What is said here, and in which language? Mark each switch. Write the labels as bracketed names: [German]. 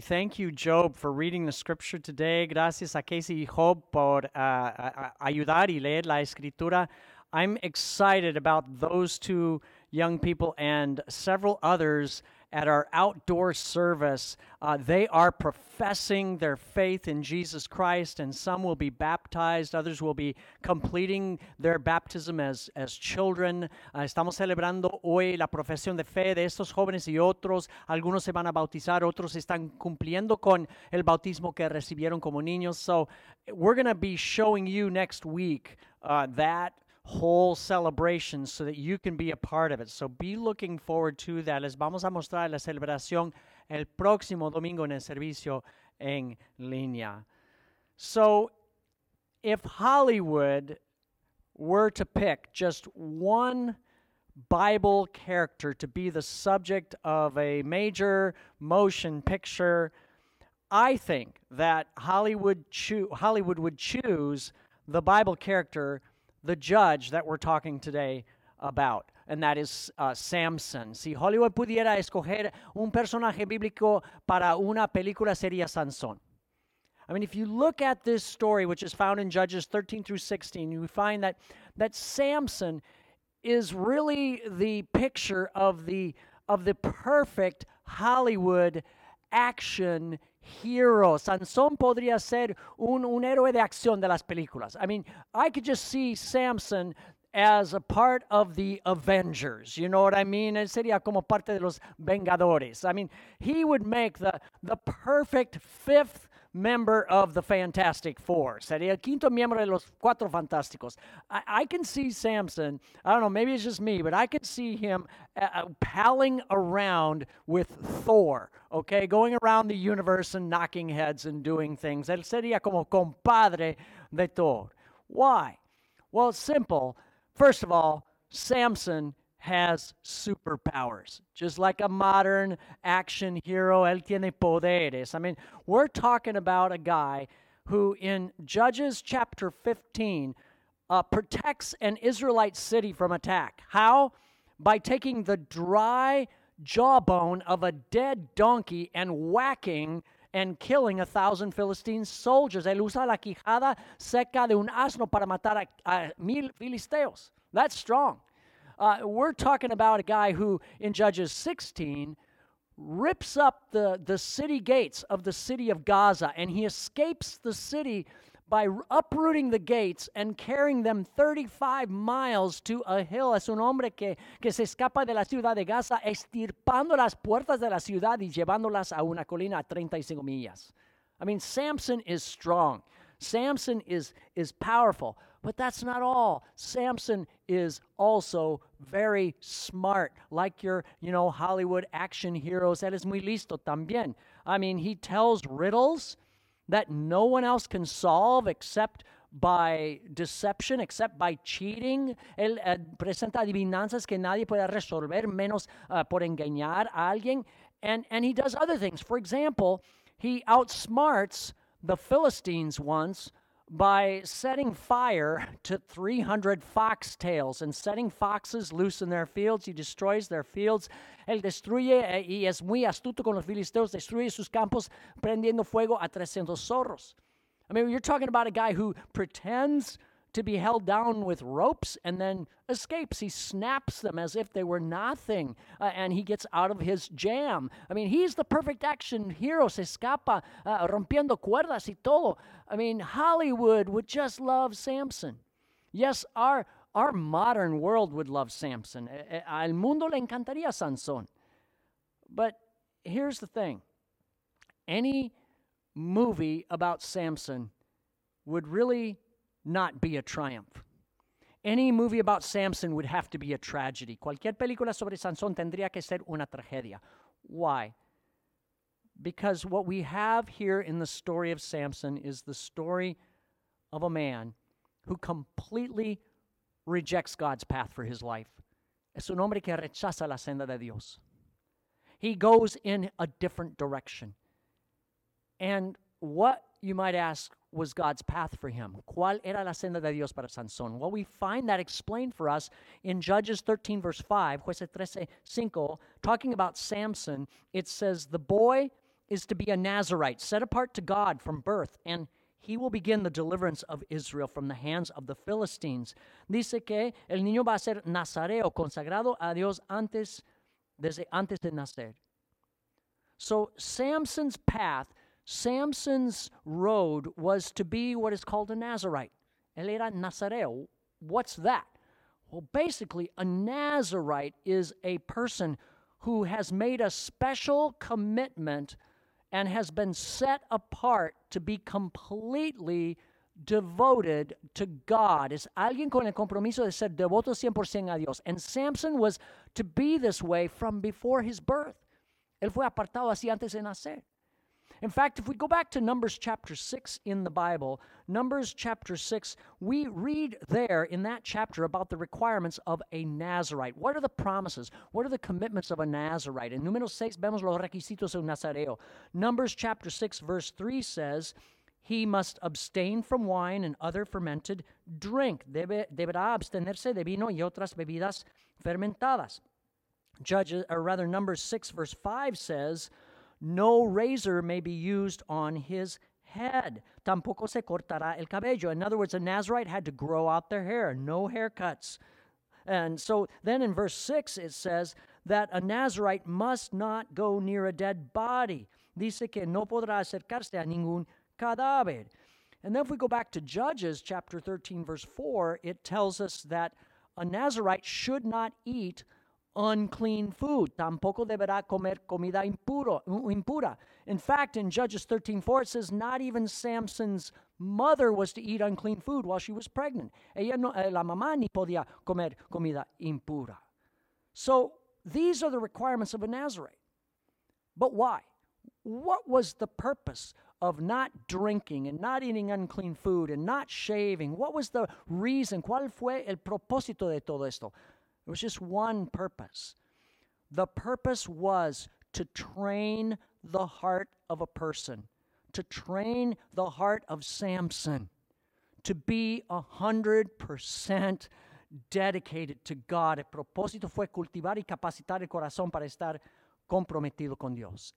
[English] Thank you, Job, for reading the scripture today. [Spanish] Gracias a Casey y Job por ayudar y leer la escritura. [English] I'm excited about those two young people and several others at our outdoor service. They are professing their faith in Jesus Christ, and some will be baptized. Others will be completing their baptism as children. [Spanish] Estamos celebrando hoy la profesión de fe de estos jóvenes y otros. Algunos se van a bautizar. Otros están cumpliendo con el bautismo que recibieron como niños. [English] So we're going to be showing you next week that whole celebration so that you can be a part of it. So be looking forward to that. [Spanish] Les vamos a mostrar la celebración el próximo domingo en el servicio en línea. [English] So if Hollywood were to pick just one Bible character to be the subject of a major motion picture, I think that Hollywood would choose the Bible character, the judge that we're talking today about, and that is Samson. [Spanish] Si Hollywood pudiera escoger un personaje bíblico para una película, sería Sansón. [English] I mean, if you look at this story, which is found in Judges 13 through 16, you find that Samson is really the picture of the perfect Hollywood action hero. [Spanish] Sansón podría ser un héroe de acción de las películas. [English] I mean, I could just see Samson as a part of the Avengers. You know what I mean? [Spanish] Él sería como parte de los Vengadores. [English] I mean, he would make the perfect fifth member of the Fantastic Four. [Spanish] Sería el quinto miembro de los Cuatro Fantásticos. [English] I can see Samson, I don't know, maybe it's just me, but I can see him palling around with Thor, okay? Going around the universe and knocking heads and doing things. [Spanish] Él sería como compadre de Thor. [English] Why? Well, it's simple. First of all, Samson has superpowers. Just like a modern action hero, [Spanish] él tiene poderes. [English] I mean, we're talking about a guy who in Judges chapter 15 protects an Israelite city from attack. How? By taking the dry jawbone of a dead donkey and whacking and killing 1,000 Philistine soldiers. [Spanish] Él usa la quijada seca de un asno para matar a 1,000 filisteos. [English] That's strong. We're talking about a guy who, in Judges 16, rips up the city gates of the city of Gaza, and he escapes the city by uprooting the gates and carrying them 35 miles to a hill. [Spanish] Es un hombre que se escapa de la ciudad de Gaza, extirpando las puertas de la ciudad y llevándolas a una colina a 35 millas. [English] I mean, Samson is strong. Samson is powerful. But that's not all. Samson is also very smart, like your, you know, Hollywood action heroes. [Spanish] Él es muy listo también. [English] I mean, he tells riddles that no one else can solve except by deception, except by cheating. [Spanish] Él presenta adivinanzas que nadie puede resolver menos por engañar a alguien. [English] And he does other things. For example, he outsmarts the Philistines once by setting fire to 300 fox tails and setting foxes loose in their fields. He destroys their fields. [Spanish] Él destruye, y es muy astuto con los filisteos, destruye sus campos prendiendo fuego a 300 zorros. [English] I mean, you're talking about a guy who pretends to be held down with ropes and then escapes. He snaps them as if they were nothing, and he gets out of his jam. I mean, he's the perfect action hero. [Spanish] Se escapa rompiendo cuerdas y todo. [English] I mean, Hollywood would just love Samson. Yes, our modern world would love Samson. [Spanish] Al mundo le encantaría Sansón. [English] But here's the thing. Any movie about Samson would really not be a triumph. Any movie about Samson would have to be a tragedy. [Spanish] Cualquier película sobre Sansón tendría que ser una tragedia. [English] Why? Because what we have here in the story of Samson is the story of a man who completely rejects God's path for his life. [Spanish] Es un hombre que rechaza la senda de Dios. [English] He goes in a different direction. And what you might ask, was God's path for him? [Spanish] ¿Cuál era la senda de Dios para Sansón? [English] Well, we find that explained for us in Judges 13, verse 5, [Spanish] Jueces 13, 5, [English] talking about Samson. It says, the boy is to be a Nazarite, set apart to God from birth, and he will begin the deliverance of Israel from the hands of the Philistines. [Spanish] Dice que el niño va a ser Nazareo, consagrado a Dios antes, desde antes de nacer. [English] So Samson's path, Samson's road was to be what is called a Nazarite. [Spanish] Él era Nazareo. [English] What's that? Well, basically, a Nazarite is a person who has made a special commitment and has been set apart to be completely devoted to God. [Spanish] Es alguien con el compromiso de ser devoto 100% a Dios. [English] And Samson was to be this way from before his birth. [Spanish] Él fue apartado así antes de nacer. [English] In fact, if we go back to Numbers chapter 6 in the Bible, Numbers chapter 6, we read there in that chapter about the requirements of a Nazarite. What are the promises? What are the commitments of a Nazarite? In [Spanish] Números 6, vemos los requisitos de un Nazareo. [English] Numbers chapter 6, verse 3 says, he must abstain from wine and other fermented drink. [Spanish] Deberá abstenerse de vino y otras bebidas fermentadas. [English] Numbers 6, verse 5 says, no razor may be used on his head. [Spanish] Tampoco se cortará el cabello. [English] In other words, a Nazarite had to grow out their hair. No haircuts. And so then in verse 6 it says that a Nazarite must not go near a dead body. [Spanish] Dice que no podrá acercarse a ningún cadáver. [English] And then if we go back to Judges chapter 13 verse 4, it tells us that a Nazarite should not eat unclean food. [Spanish] Tampoco deberá comer comida impura. [English] In fact, in Judges 13:4, it says not even Samson's mother was to eat unclean food while she was pregnant. [Spanish] Ella no, la mamá ni podía comer comida impura. [English] So these are the requirements of a Nazarite. But why? What was the purpose of not drinking and not eating unclean food and not shaving? What was the reason? [Spanish] ¿Cuál fue el propósito de todo esto? [English] It was just one purpose. The purpose was to train the heart of a person, to train the heart of Samson, to be 100% dedicated to God. [Spanish] El propósito fue cultivar y capacitar el corazón para estar comprometido con Dios.